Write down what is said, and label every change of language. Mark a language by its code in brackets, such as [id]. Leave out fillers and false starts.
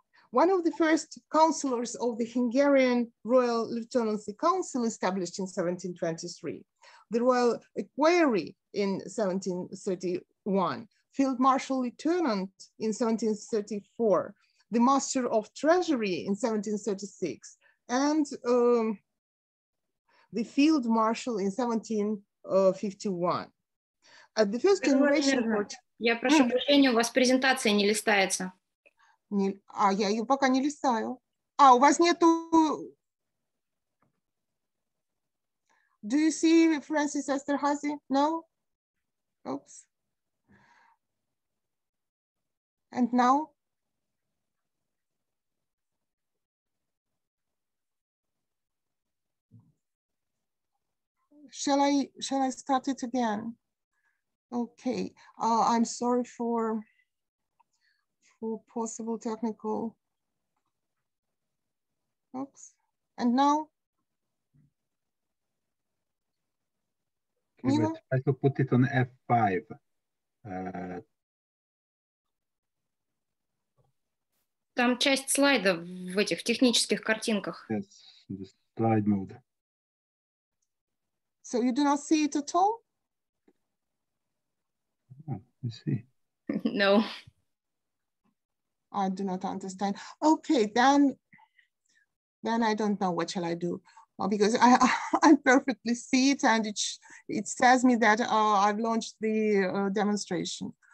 [en] One of the first councillors of the Hungarian Royal Lieutenancy Council established in 1723, the Royal Equerry in 1731, Field Marshal Lieutenant in 1734, the Master of Treasury in 1736, and the Field Marshal in 1751. At the first generation... [ru] Я прошу прощения, у вас презентация не листается. Не, а я ее пока не листаю. А, у вас нету... [en] Do you see Francis Esterházy? No? Oops. And now? Shall I start it again? Okay. I'm sorry for possible technical. Oops. And now. Okay, we try to put it on F5. [ru] Там часть слайда в этих технических картинках. [en] Yes, the slide mode. So you do not see it at all? You see. No. I do not understand. Okay, then I don't know what shall I do. Well, because I perfectly see it and it says me that I've launched the demonstration.